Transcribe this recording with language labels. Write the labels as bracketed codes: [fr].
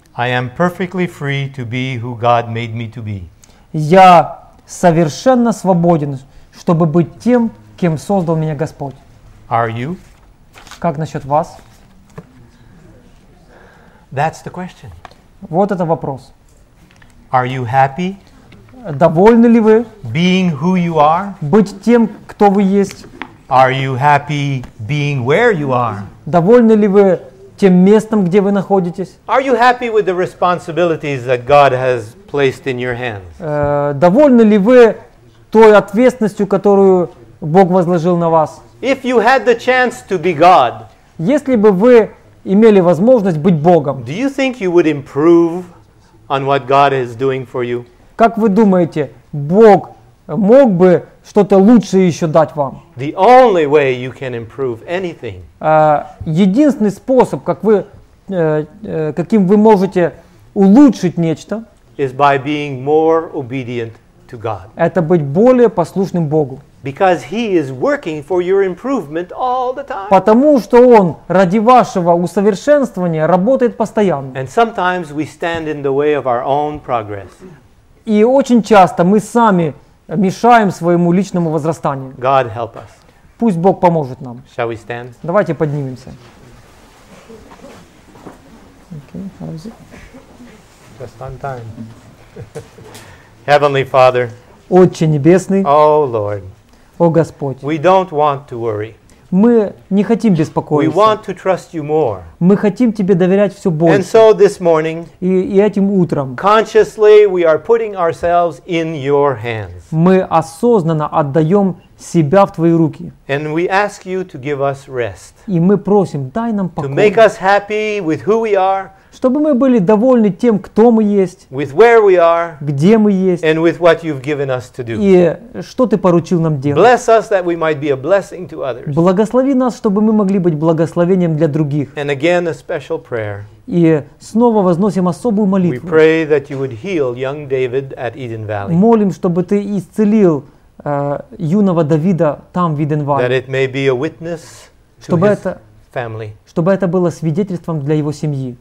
[en] I am perfectly free to be who God made me to be. [ru] Я совершенно свободен, чтобы быть тем, кем создал меня Господь. [en] Are you? [ru] Как насчет вас? [en] That's the question. [ru] Вот это вопрос. [en] Are you happy? [ru] Довольны ли вы? [en] Being who you are? [ru] Быть тем, кто вы есть. [en] Are you happy being where you are? [ru] Довольны ли вы тем местом, где вы находитесь? [en] Are you happy with the responsibilities that God has placed in your hands? [ru] Довольны ли вы той ответственностью, которую Бог возложил на вас? [en] If you had the chance to be God, [ru] если бы вы имели возможность быть Богом, [en] do you think you would improve on what God is doing for you? [ru] Как вы думаете, Бог мог бы что-то лучшее еще дать вам. [en] The only way you can improve anything. [ru] Единственный способ, как вы, каким вы можете улучшить нечто, [en] is by being more obedient to God. [ru] Это быть более послушным Богу. [en] Because he is working for your improvement all the time. [ru] Потому что он ради вашего усовершенствования работает постоянно. [en] And sometimes we stand in the way of our own progress. [ru] И очень часто мы сами мешаем своему личному возрастанию. [en] God help us. [ru] Пусть Бог поможет нам. [en] Shall we stand? [ru] Давайте поднимемся. [en] Okay, how is it? Just on time. Heavenly Father. [ru] Отче небесный. [en] Oh Lord. [ru] О Господь. [en] We don't want to worry. [ru] Мы не хотим беспокоиться. [en] We want to trust you more. [ru] Мы хотим тебе доверять все больше. [en] And so this morning, [ru] и этим утром, [en] consciously we are putting ourselves in your hands. [ru] Мы осознанно отдаем себя в твои руки. [en] And we ask you to give us rest. [ru] И мы просим, дай нам покой. [en] To make us happy with who we are. [ru] Чтобы мы были довольны тем, кто мы есть, [en] with where we are, [ru] где мы есть, [en] and with what you've given us to do. [ru] И что ты поручил нам делать. [en] Bless us that we might be a blessing to others. [ru] Благослови нас, чтобы мы могли быть благословением для других. [en] And again, a special prayer. [ru] И снова возносим особую молитву. [en] We pray that you would heal young David at Eden Valley. [ru] Молим, чтобы ты исцелил юного Давида там, в Иден-Вале. [en] That it may be a witness to his family. [ru] Чтобы это было свидетельством для его семьи.